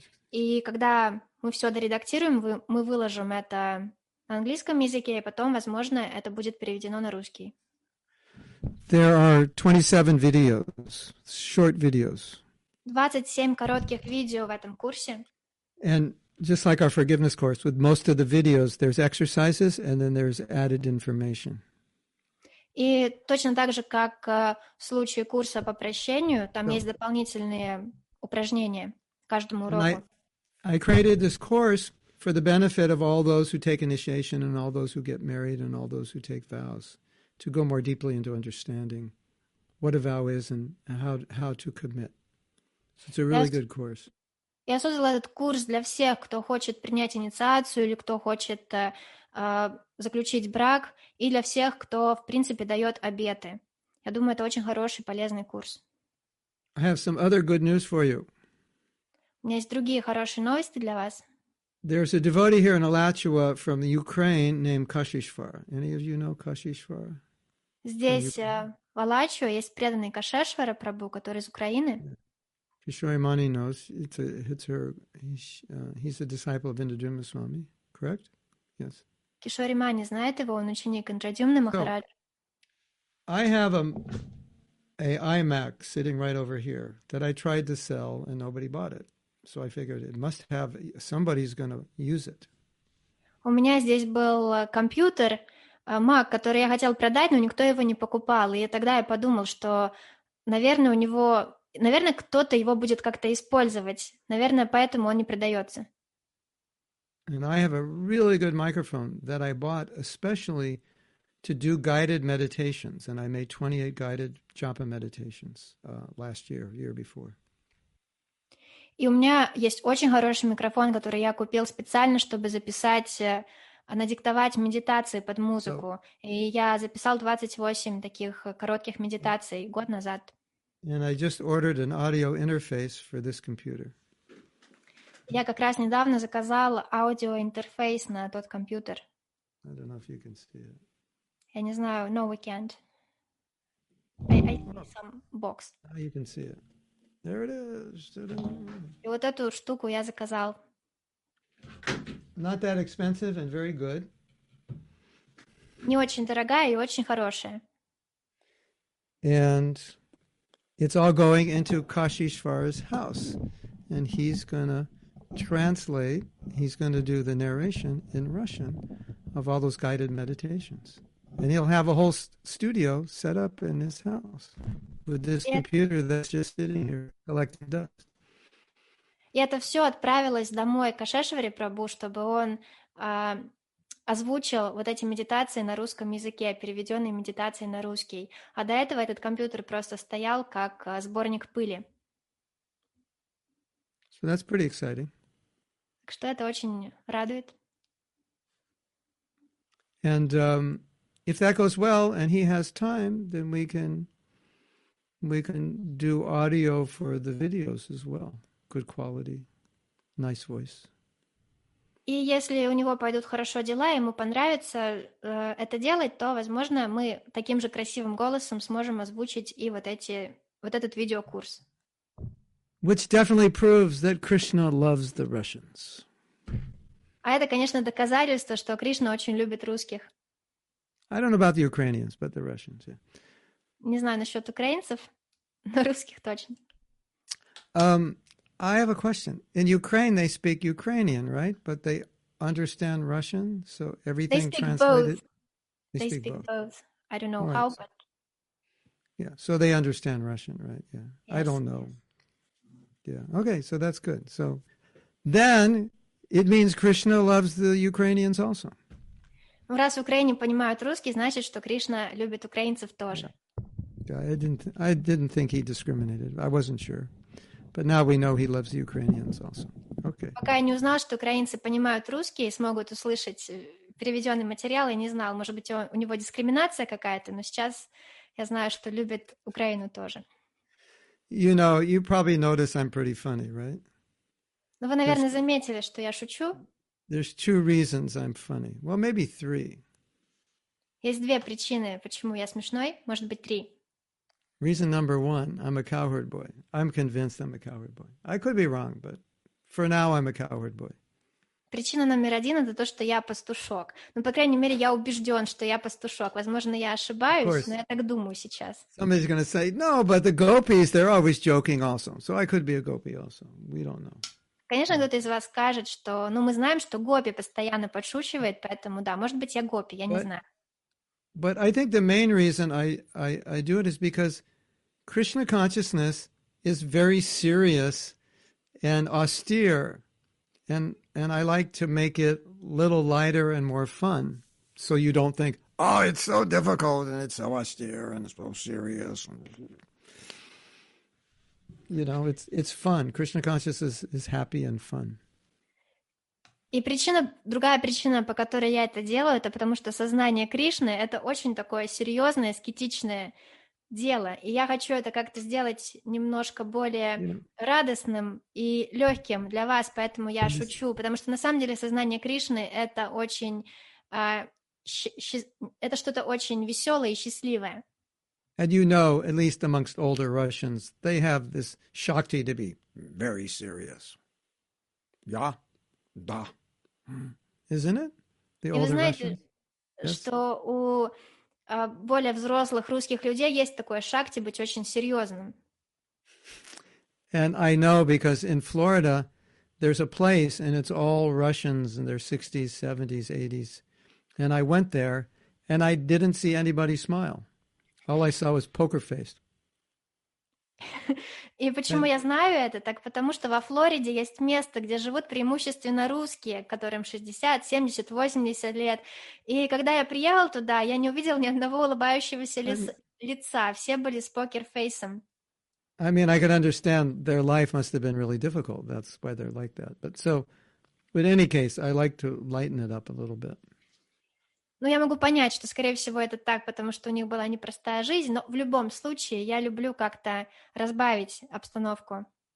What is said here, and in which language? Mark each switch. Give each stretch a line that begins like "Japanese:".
Russian: И когда мы все доредактируем, мы выложим это на английском языке, и потом, возможно, это будет переведено на русский.
English: There are 27 videos, short videos.
Russian: 27 коротких видео в этом курсе.
English: And just like our forgiveness course, with most of the videos, there's exercises and then there's added information.
Russian: И точно так же, как в случае курса по прощению, там есть дополнительные упражнения каждому уроку.
English: I created this course for the benefit of all those who take initiation and all those who get married and all those who take vows, to go more deeply into understanding what a vow is and how to commit. So it's a really good course.
Russian: Я создала этот курс для всех, кто хочет принять инициацию или кто хочет заключить брак, и для всех, кто, в принципе, дает обеты. Я думаю, это очень хороший, полезный курс.
English: I have some other good news for you.
Russian: У меня есть другие хорошие новости для вас.
English: There's a devotee here in Alachua from the Ukraine named Kashishvar. Any of you know Kashishvar?
Russian: Здесь, в Алачуа, есть преданный Кашешвара Прабу, который из Украины.
English: Kishore Mani knows. He's a disciple of Indradyumna Swami, correct? Yes.
Russian: Кишори Мани знает его, он ученик Индрадюмны Махараджи.
English: I have an iMac sitting right over here that I tried to sell and nobody bought it. So I figured it must have, somebody's going to use it.
Russian: У меня здесь был компьютер, Mac, который я хотел продать, но никто его не покупал. И тогда я подумал, что, наверное, кто-то его будет как-то использовать. Наверное, поэтому он не продается.
English: And I have a really good microphone that I bought especially to do guided meditations. And I made 28 guided japa meditations last year, year before.
Russian: И у меня есть очень хороший микрофон, который я купил специально, чтобы надиктовать медитации под музыку. So, и я записал 28 таких коротких медитаций год назад.
English: And I just ordered an audio interface for this computer.
Russian: Я как раз недавно заказал аудиоинтерфейс на тот компьютер.
English: I don't know if you can see it.
Russian: Я не знаю.
English: No, we can't. I see some box. Now you can see it. There it is.
Russian: И вот эту штуку я заказал.
English: Not that expensive and very good.
Russian: Не очень дорогая и очень хорошая.
English: And it's all going into Kashishvara's house. And he's going to translate, he's going to do the narration in Russian of all those guided meditations. And he'll have a whole studio set up in his house with this computer that's just sitting here collecting dust.
Russian: И это все отправилось домой к Кашешваре Прабу, чтобы он озвучил вот эти медитации на русском языке, переведенные медитации на русский. А до этого этот компьютер просто стоял как сборник пыли.
English: So that's pretty exciting.
Russian: Так что это очень радует.
English: And if that goes well and he has time, then we can do audio for the videos as well. Good quality, nice voice.
Russian: И если у него пойдут хорошо дела, ему понравится это делать, то, возможно, мы таким же красивым голосом сможем озвучить и вот этот видеокурс.
English: Which definitely proves that Krishna loves the Russians.
Russian: А это, конечно, доказательство, что Кришна очень любит русских.
English: I don't know about the Ukrainians, but the Russians, yeah.
Russian: Не знаю насчет украинцев, но русских точно.
English: I have a question. In Ukraine, they speak Ukrainian, right? But they understand Russian, so everything translated. They speak both. I don't know right. how, but. Yeah, so they understand Russian, right? Yeah. Yes. I don't know. Yeah. Okay, so that's good. So then it means Krishna loves the Ukrainians also.
Russian: Раз в Украине понимают русский, значит, что Кришна любит украинцев тоже.
English: Yeah. I didn't think he discriminated. I wasn't sure. But now we know he loves the Ukrainians also. Okay.
Russian: Пока я не узнал, что украинцы понимают русский и смогут услышать переведенный материал, я не знал, может быть, у него дискриминация какая-то, но сейчас я знаю, что любит Украину тоже.
English: You know, you probably notice I'm pretty funny, right?
Russian: Ну, вы, наверное, заметили, что я шучу.
English: There's two reasons I'm funny. Well, maybe three.
Russian: Есть две причины, почему я смешной. Может быть, три.
English: Reason number one, I'm a cowherd boy. I'm convinced I'm a cowherd boy. I could be wrong, but for now I'm a cowherd boy.
Russian: Причина номер один — это то, что я пастушок. Ну, по крайней мере, я убежден, что я пастушок. Возможно, я ошибаюсь, но я так думаю сейчас.
English: Somebody's going to say, no, but the gopis, they're always joking also. So I could be a gopi also. We don't know.
Russian: Конечно, кто-то из вас скажет, что, ну, мы знаем, что гопи постоянно подшучивает, поэтому да, может быть, я гопи, я не знаю.
English: But I think the main reason I do it is because Krishna consciousness is very serious and austere, and I like to make it a little lighter and more fun, so you don't think, oh, it's so difficult and it's so austere and it's so serious. You know, it's fun. Krishna consciousness is happy and fun.
Russian: И другая причина, по которой я это делаю, это потому что сознание Кришны — это очень такое серьезное, аскетичное дело. И я хочу это как-то сделать немножко более радостным и легким для вас, поэтому я шучу. Потому что на самом деле сознание Кришны — это это что-то очень веселое и счастливое.
English: And you know, at least amongst older Russians, they have this shakti to be very serious. Yeah. Да. Isn't it? The older Russians. Знаете, yes?
Russian: Что у более взрослых русских людей есть такое шакти быть очень серьезным.
English: And I know because in Florida there's a place and it's all Russians in their 60s, 70s, 80s. And I went there and I didn't see anybody smile. All I saw was poker faced.
Russian: И почему я знаю это? Так потому что во Флориде есть место, где живут преимущественно русские, которым 60, 70, 80 лет. И когда я приехал туда, я не увидел ни одного улыбающегося лица. Все были с покер-фейсом.
English: I mean, I can understand their life must have been really difficult. That's why they're like that. But so, in any case, I like to lighten it up a little bit.
Russian: Ну, я могу понять, что, скорее всего, это так, потому что у них была непростая жизнь, но в любом случае я люблю как-то разбавить обстановку.